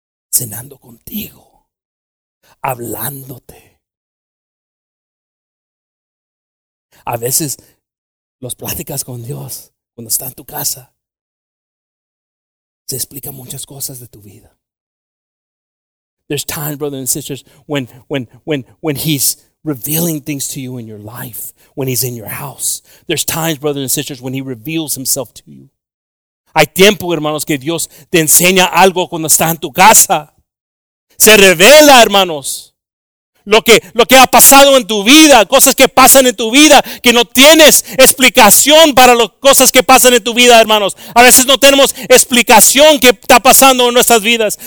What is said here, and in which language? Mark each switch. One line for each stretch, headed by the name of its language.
Spanish: Cenando contigo. Hablándote. A veces las pláticas con Dios, cuando está en tu casa, se explican muchas cosas de tu vida.
English: There's time, brothers and sisters, when he's revealing things to you in your life, when he's in your house. There's times, brothers and sisters, when he reveals himself to you.
Spanish: Hay tiempo, hermanos, que Dios te enseña algo cuando está en tu casa. Se revela, hermanos. lo que ha pasado en tu vida, cosas que pasan en tu vida, que no tienes explicación para las cosas que pasan en tu vida, hermanos. A veces no tenemos explicación que está pasando en nuestras vidas.